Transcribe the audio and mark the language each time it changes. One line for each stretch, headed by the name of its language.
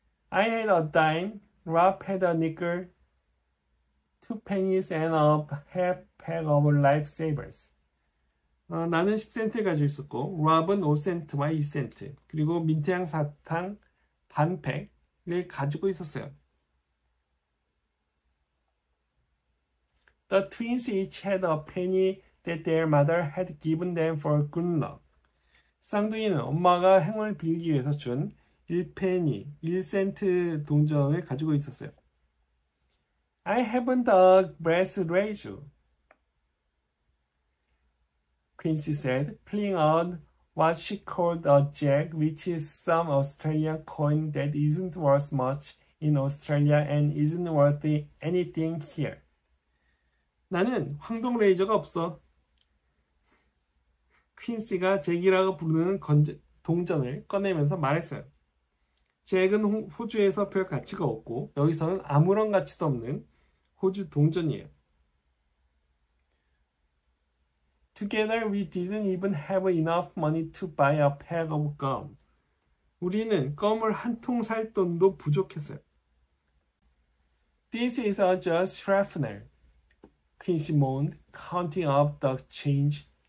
English: I had a dime, Rob had a nickel, two pennies and a half pack of lifesavers.
Korean: 나는 10센트 가지고 있었고, 랍은 5센트와 2센트, 그리고 민트향 사탕 반팩을 가지고 있었어요.
English: The twins each had a penny that their mother had given them for good luck.
Korean: 쌍둥이는 엄마가 행운을 빌기 위해서 준 1페니, 1센트 동전을 가지고 있었어요.
English: I haven't a brass ratio. Quincy said, pulling out what she called a jack, which is some Australian coin that isn't worth much in Australia and isn't worth anything here.
Korean: 나는 황동 레이저가 없어. 퀸시가 잭이라고 부르는 동전을 꺼내면서 말했어요. 잭은 호주에서 별 가치가 없고 여기서는 아무런 가치도 없는 호주 동전이에요.
English: Together we didn't even have enough money to buy a pack of gum.
Korean: 우리는 껌을 한통살 돈도 부족했어요.
English: This is all just shrapnel, Quincy moaned, counting up the change.